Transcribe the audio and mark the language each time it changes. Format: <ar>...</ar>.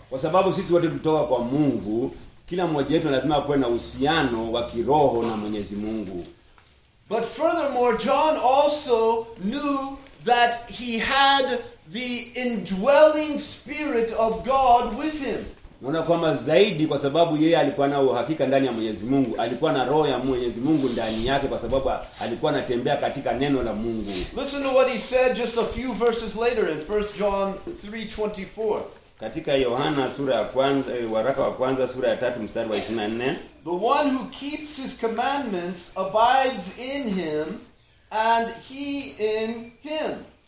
<sw>Kwa sababu sisi wote tutoka kwa Mungu, kila mmoja wetu lazima awe na uhusiano wa kiroho na Mwenyezi Mungu.</sw> <en>But furthermore, John also knew that he had the indwelling spirit of God with him.</en> <sw>Unaona kwamba zaidi kwa sababu yeye alikuwa na uhakika ndani ya Mwenyezi Mungu, alikuwa na roho ya Mwenyezi Mungu ndani yake kwa sababu alikuwa anatembea katika neno la Mungu.</sw> <en>Listen to what he said just a few verses later in 1 John 3:24.</en> <sw>Katika Yohana sura ya kwanza, waraka wa kwanza sura ya 3 mstari wa 24.</sw> <en>The one who keeps his commandments abides in him and he in him.</en>